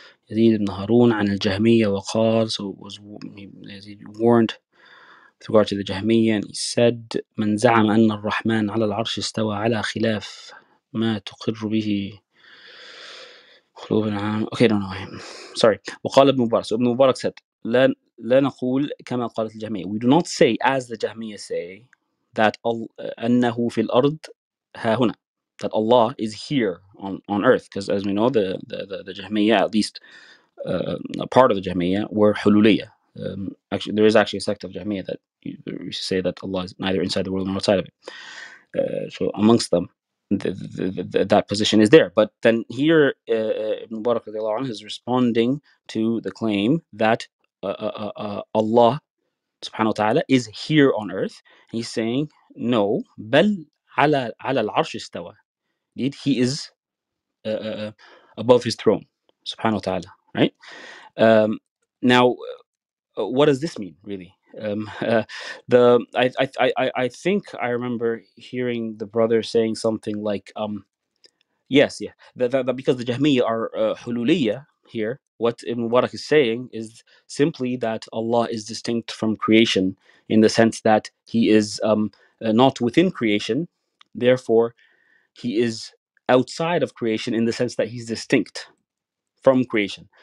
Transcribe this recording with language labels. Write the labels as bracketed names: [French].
[Arabic] Yazid ibn Harun an al Jahmiyyah wa qal, [English] so it was Yazid warned with regard to the Jahmiyyah, and he said, [Arabic] من زعم أن الرحمن على العرش استوى على خلاف ما تقر به خلوب العام. [English] Okay, no, sorry. [Arabic] وقال ابن مبارك. So ابن مبارك said, لا نقول كما قالت الجهمية. [English] We do not say, as the Jahmiyyah say, that [Arabic] أنه في الأرض ها هنا. [English] That Allah is here on earth, because as we know, the Jahmiyyah, at least a part of the Jahmiyyah, were Hululiyyah. Actually, there is actually a sect of Jahmiyyah that you say that Allah is neither inside the world nor outside of it. So amongst them, that position is there. But then here, Ibn Mubarak radiallahu anhu is responding to the claim that Allah subhanahu wa ta'ala is here on earth. He's saying, no, [Arabic] بل على العرش استوى. [English] Indeed, he is above his throne, subhanahu wa ta'ala, right? Now, what does this mean, really? I think I remember hearing the brother saying something like, that because the Jahmiyyah are Hululiyyah here, what Ibn Mubarak is saying is simply that Allah is distinct from creation in the sense that he is not within creation, therefore he is outside of creation in the sense that he's distinct from creation.